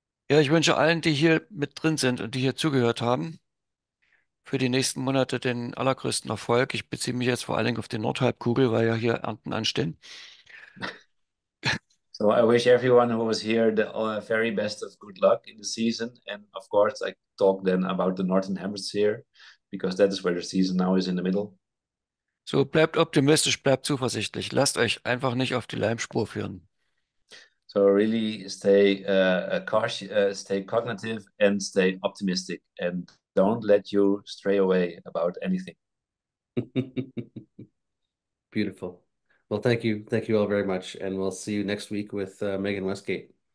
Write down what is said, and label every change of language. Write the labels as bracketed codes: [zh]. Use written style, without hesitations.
[de] Ja, ich wünsche allen, die hier mit drin sind und die hier zugehört haben, für die nächsten Monate den allergrößten Erfolg. Ich beziehe mich jetzt vor allen Dingen auf die Nordhalbkugel, weil ja hier Ernten anstehen. [en] So I wish everyone who was here the very best of good luck in the season. And of course, I talk then about the Northern Hemisphere, because that is where the season now is in the middle. [de] So bleibt optimistisch, bleibt zuversichtlich. Lasst euch einfach nicht auf die Leimspur führen. [en] So really stay stay cognitive and stay optimistic and don't let you stray away about anything. Beautiful. Well, thank you. Thank you all very much. And we'll see you next week with Megan Westgate.